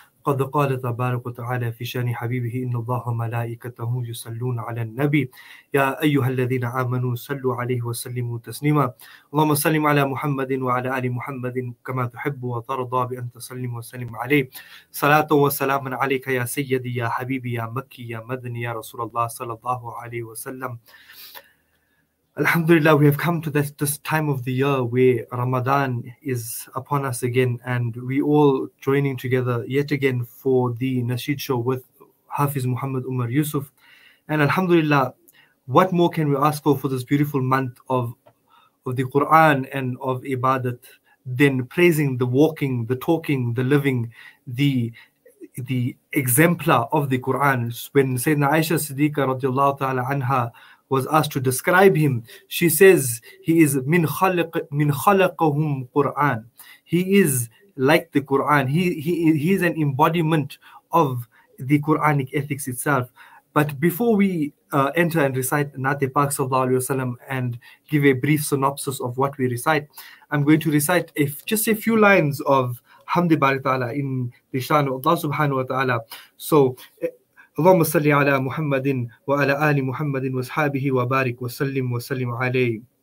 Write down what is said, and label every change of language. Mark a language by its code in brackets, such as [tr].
[ar] قد قال تبارك وتعالى في شأن حبيبه إن الله ملائكته يصلون على النبي يا أيها الذين آمنوا صلوا عليه وسلموا تسليما اللهم سلم على محمد وعلى آل محمد كما تحب وترضى بأن تسلم وسلم عليه صلاة وسلام عليك يا سيدي يا حبيبي يا مكي يا مدني يا رسول الله صلى الله عليه وسلم [en] Alhamdulillah, we have come to this time of the year where Ramadan is upon us again, and we all joining together yet again for the Nasheed show with Hafiz Mohammed Omar Yusuf. And Alhamdulillah, what more can we ask for this beautiful month of the Quran and of Ibadat than praising the walking, the talking, the living, the exemplar of the Quran? When Sayyidina Aisha Siddiqa radiallahu ta'ala anha was asked to describe him, she says he is min khalaqahum Quran. He is like the Quran. He is an embodiment of the Quranic ethics itself. But before we enter and recite Naat-e Paak sallallahu alaihi wasallam and give a brief synopsis of what we recite, I'm going to recite just a few lines of Hamd-e Bari Ta'ala in the shan of Allah subhanahu wa ta'ala. [ar] So اللهم صل على محمد وعلى آل محمد وصحابه وبارك وسلم وسلم عليه.